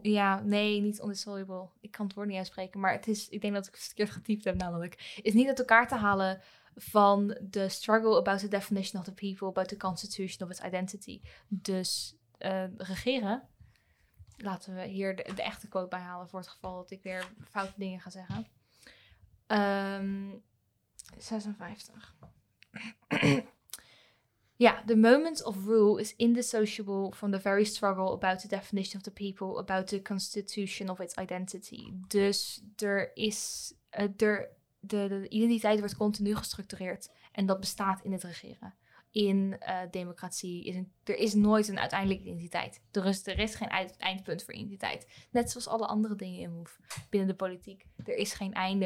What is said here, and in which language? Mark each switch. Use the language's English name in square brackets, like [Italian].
[Dutch] Ja, nee, niet indissoluble. Ik kan het woord niet uitspreken, maar het is, ik denk dat ik het verkeerd getypt heb namelijk, is niet uit elkaar te halen van [English] the struggle about the definition of the people, about the constitution of its identity. [Dutch] Dus regeren, laten we hier de echte quote bij halen voor het geval dat ik weer foute dingen ga zeggen. [English] 56. Ja, yeah, the moment of rule is indissociable from the very struggle about the definition of the people, about the constitution of its identity. [Dutch] Dus er is, de identiteit wordt continu gestructureerd en dat bestaat in het regeren. In democratie, er is nooit een uiteindelijke identiteit. Er is geen eindpunt voor identiteit. Net zoals alle andere dingen in MOVE binnen de politiek. Er is geen einde.